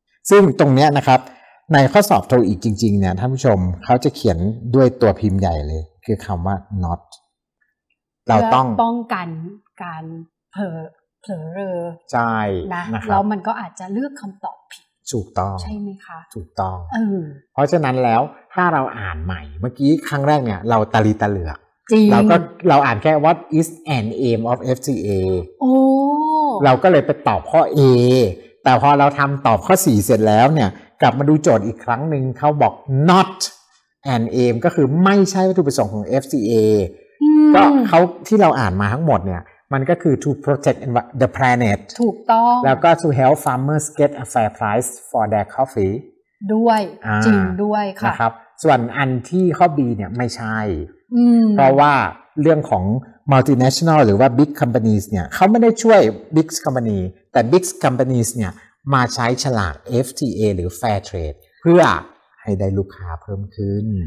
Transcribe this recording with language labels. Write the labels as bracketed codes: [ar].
[th] ซึ่งตรงเนี้ยนะครับในข้อสอบโทอีกจริงๆเนี่ยท่านผู้ชมเขาจะเขียนด้วยตัวพิมพ์ใหญ่เลยคือคำว่า not เราต้อง ป้องกันการเผลอ ใช่นะครับ แล้วมันก็อาจจะเลือกคำตอบผิด ถูกต้อง ใช่ไหมคะ ถูกต้องเพราะฉะนั้นแล้วถ้าเราอ่านใหม่เมื่อกี้ครั้งแรกเนี่ยเราตาลีตาเหลือก จริง เราอ่านแค่ [en] what is an aim of FTA [th] โอ้ เราก็เลยไปตอบข้อ A แต่พอเราทำตอบข้อ4เสร็จแล้วเนี่ยกลับมาดูโจทย์อีกครั้งนึงเขาบอก [en] not an aim [th] ก็คือไม่ใช่วัตถุประสงค์ของ FTAก็เขาที่เราอ่านมาทั้งหมดเนี่ยมันก็คือ [en] to protect the planet [th] ถูกต้อง แล้วก็ [en] to help farmers get a fair price for their coffee [th] ด้วยจริงด้วยค่ะ นะครับส่วนอันที่ข้อ B เนี่ยไม่ใช่เพราะว่าเรื่องของ multinational หรือว่า big companies เนี่ยเขาไม่ได้ช่วย big company แต่ big companies เนี่ยมาใช้ฉลาก FTA หรือ fair trade เพื่อให้ได้ลูกค้าเพิ่มขึ้น